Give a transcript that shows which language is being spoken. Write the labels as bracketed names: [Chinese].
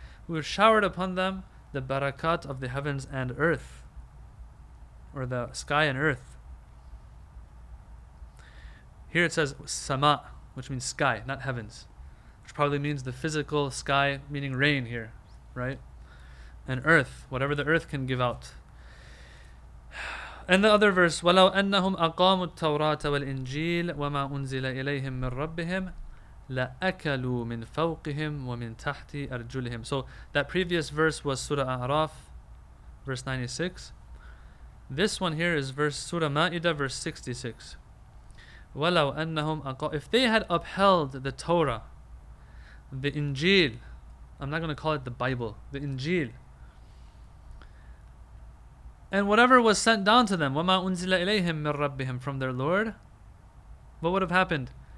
[English] We would have showered upon them the barakat of the heavens and earth, or the sky and earth. Here it says sama, which means sky, not heavens, which probably means the physical sky, meaning rain here, right? And earth, whatever the earth can give out. And the other verse, [Arabic] وَلَوْ أَنَّهُمْ أَقَامُوا التَّوْرَاةَ وَالْإِنْجِيلَ وَمَا أُنْزِلَ إِلَيْهِمْ مِنْ رَبِّهِمْ لَأَكَلُوا مِنْ فَوْقِهِمْ وَمِنْ تَحْتِ أَرْجُلِهِمْ. [English] So that previous verse was Surah A'raf, verse 96. This one here is verse Surah Ma'idah, verse 66. [Arabic] وَلَوْ أَنَّهُمْ أَقَامُوا. [English] If they had upheld the Torah, the Injil, I'm not going to call it the Bible, the Injil, and whatever was sent down to them, [Arabic] وَمَا أُنزِلَ إِلَيْهِمْ مِنْ رَبِّهِمْ, [English] from their Lord, what would have happened?